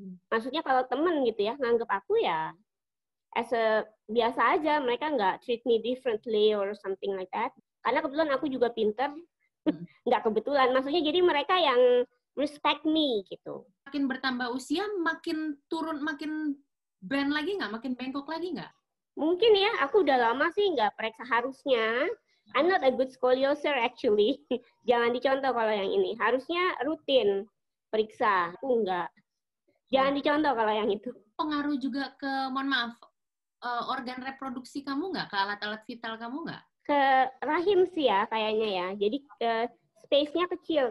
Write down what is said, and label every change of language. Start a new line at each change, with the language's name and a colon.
Indonesian: Maksudnya kalau temen gitu ya, nganggep aku ya
English: as a
Indonesian: biasa aja, mereka nggak
English: treat me differently or something like that.
Indonesian: Karena kebetulan aku juga pinter, nggak kebetulan. Maksudnya jadi mereka yang
English: respect me
Indonesian: gitu. Makin bertambah usia, makin turun, makin
English: bend
Indonesian: lagi nggak? Makin bengkok lagi nggak? Mungkin ya, aku udah lama sih nggak periksa harusnya.
English: I'm not a good scoliosis actually.
Indonesian: Jangan dicontoh kalau yang ini. Harusnya rutin periksa. Aku nggak. Jangan dicontoh kalau yang itu. Pengaruh juga ke, mohon maaf, organ reproduksi kamu nggak? Ke alat-alat vital kamu nggak? Ke rahim sih ya, kayaknya ya. Jadi ke space-nya kecil.